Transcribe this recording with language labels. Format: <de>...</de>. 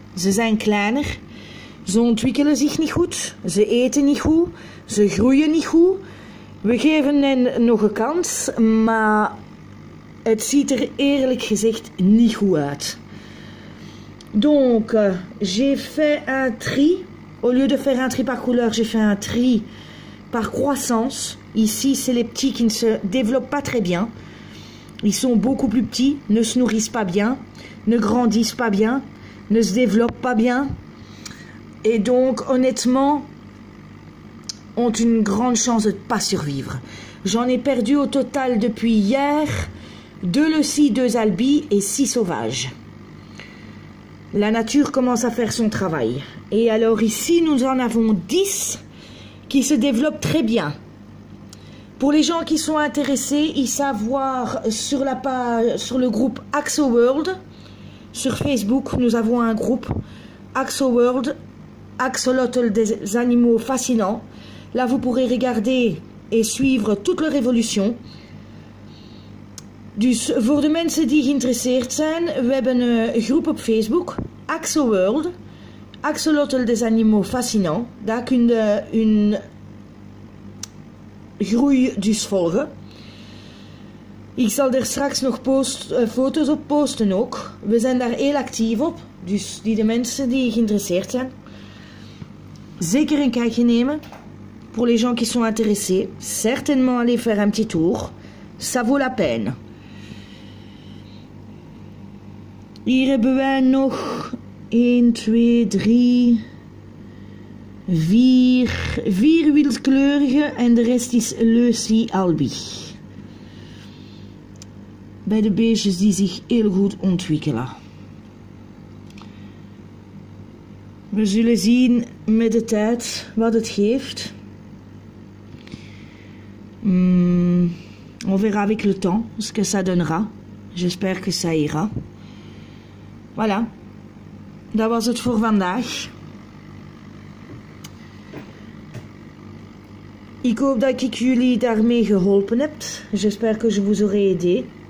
<nl>Ze zijn kleiner. Ze ontwikkelen zich niet goed, ze eten niet goed, ze groeien niet goed. We geven hen nog een kans, maar het ziet er eerlijk gezegd niet goed uit.</nl> <fr>Donc, j'ai fait un tri. Au lieu de faire un tri par couleur, j'ai fait un tri par croissance. Ici, c'est les petits qui ne se développent pas très bien. Ils sont beaucoup plus petits, ne se nourrissent pas bien, ne grandissent pas bien, ne se développent pas bien. Et donc, honnêtement, ont une grande chance de ne pas survivre. J'en ai perdu au total depuis hier 2 leucis, 2 albis et 6 sauvages. La nature commence à faire son travail. Et alors ici, nous en avons 10 qui se développent très bien. Pour les gens qui sont intéressés, ils savent voir sur la page, sur le groupe Axo World. Sur Facebook, nous avons un groupe Axo World. Axolotl des animaux fascinants. Là, vous pourrez regarder et suivre toute leur évolution.</fr> <nl>Dus voor de mensen die geïnteresseerd zijn, we hebben een groep op Facebook, Axo World, Axolotl des animaux fascinants. Daar kun je hun groei dus volgen. Ik zal er straks nog foto's op posten ook. We zijn daar heel actief op, dus die de mensen die geïnteresseerd zijn. Zeker een kijkje nemen,</nl> <fr>pour les gens qui sont intéressés, certainement aller faire un petit tour, ça vaut la peine.</fr> <nl>Hier hebben wij nog 1, 2, 3, 4 wildkleurige en de rest is Leucy Albi. Bij de beestjes die zich heel goed ontwikkelen. We zullen zien met de tijd wat het geeft.</nl> <fr>On verra avec le temps ce que ça donnera. J'espère que ça ira. Voilà.</fr> <nl>Dat was het voor vandaag. Ik hoop dat ik jullie daarmee geholpen heb.</nl> <fr>J'espère que je vous aurai aidé.</fr>